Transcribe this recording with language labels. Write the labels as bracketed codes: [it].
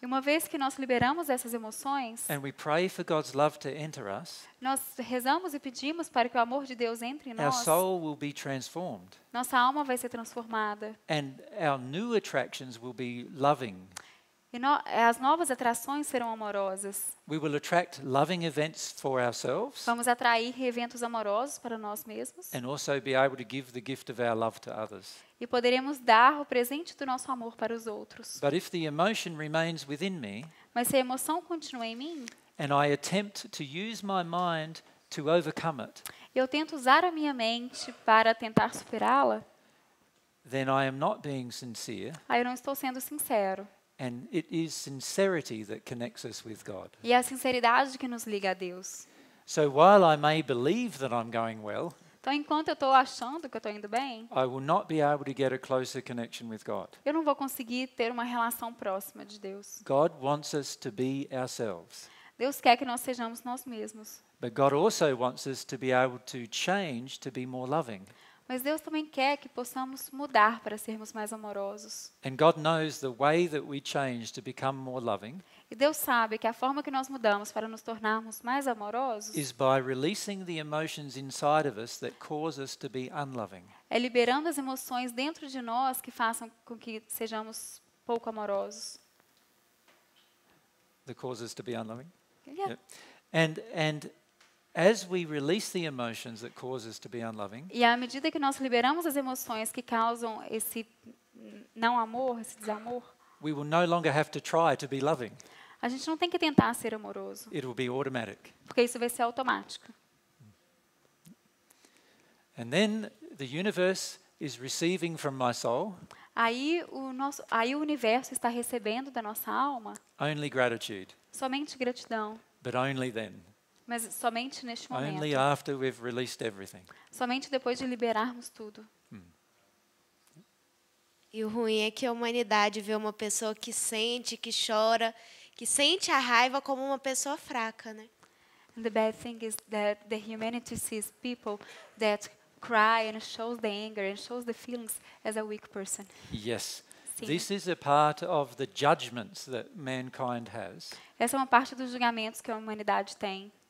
[pt] E uma vez que nós liberamos essas emoções. [en] And we pray for God's love to enter us. [pt] Nós rezamos e pedimos para que o amor de Deus entre em nós. [en] Our soul will be transformed. [pt] Nossa alma vai ser transformada. [en] And our new attractions will be loving. [pt] E as novas atrações serão amorosas. [en] We will attract loving events for ourselves. [pt] Vamos atrair eventos amorosos para nós mesmos. [en] And also be able to give the gift of our love to others. [pt] E poderemos dar o presente do nosso amor para os outros. [en] But if the emotion remains within me. [pt] Mas se a emoção continua em mim. [en] And I attempt to use my mind to overcome it. [pt] Eu tento usar a minha mente para tentar superá-la. [en] Then I am not being sincere. [pt] Aí eu não estou sendo sincero. [en] And it is sincerity that connects us with God. [pt] E é a sinceridade que nos liga a Deus. [en] So while I may believe that I'm going well. [pt] Então enquanto eu estou achando que eu estou indo bem. [en] I will not be able to get a closer connection with God. [pt] Eu não vou conseguir ter uma relação próxima de Deus. [en] God wants us to be ourselves. [pt] Deus quer que nós sejamos nós mesmos. [en] But God also wants us to be able to change to be more loving. [pt] Mas Deus também quer que possamos mudar para sermos mais amorosos. [en] And God knows the way that we change to become more loving. [pt] E Deus sabe que a forma que nós mudamos para nos tornarmos mais amorosos [en] is by releasing the emotions inside of us that cause us to be unloving. [pt] É liberando as emoções dentro de nós que façam com que sejamos pouco amorosos. [en] That causes to be unloving. Yeah. And as we release the emotions that cause us to be unloving. [pt] E à medida que nós liberamos as emoções que causam esse não amor, esse desamor. [en] We will no longer have to try to be loving. [pt] A gente não tem que tentar ser amoroso. [en] It will be automatic. [pt] Porque isso vai ser automático. [en] And then the universe is receiving from my soul. [pt] Aí o universo está recebendo da nossa alma. [en] Only gratitude. [pt] Somente gratidão. [en] But only then. [pt] Mas somente neste momento. [en] Only after we've released everything. [pt] Somente depois de liberarmos tudo. E o ruim é que a humanidade vê uma pessoa que sente, que chora, que sente a raiva como uma pessoa fraca, né? [en] And the bad thing is that the humanity sees people that cry and shows the anger and shows the feelings as a weak person. Yes. This is a part of the judgments that mankind has. [pt] Essa é uma parte dos julgamentos que a humanidade tem.